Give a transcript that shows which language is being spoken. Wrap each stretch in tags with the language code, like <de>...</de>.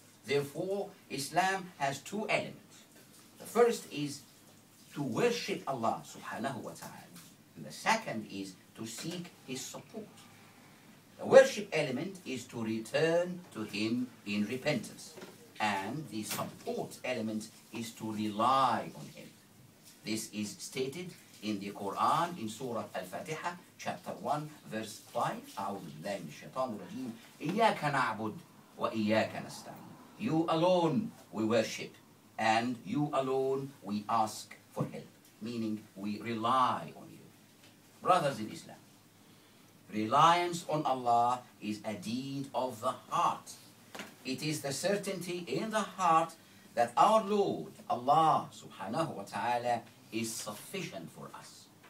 <en>Therefore, Islam has two elements. The first is to worship Allah subhanahu wa ta'ala, and the second is to seek his support. The worship element is to return to him in repentance, and the support element is to rely on him. This is stated in the Quran in Surah Al-Fatiha, chapter 1, verse 5,</en> <ar>أعوذ بالله من الشيطان الرجيم, إياك نعبد وإياك نستعين.</ar> <en>You alone we worship, and you alone we ask for help, meaning we rely on you. Brothers in Islam, reliance on Allah is a deed of the heart. It is the certainty in the heart that our Lord, Allah subhanahu wa ta'ala, is sufficient for us.</en>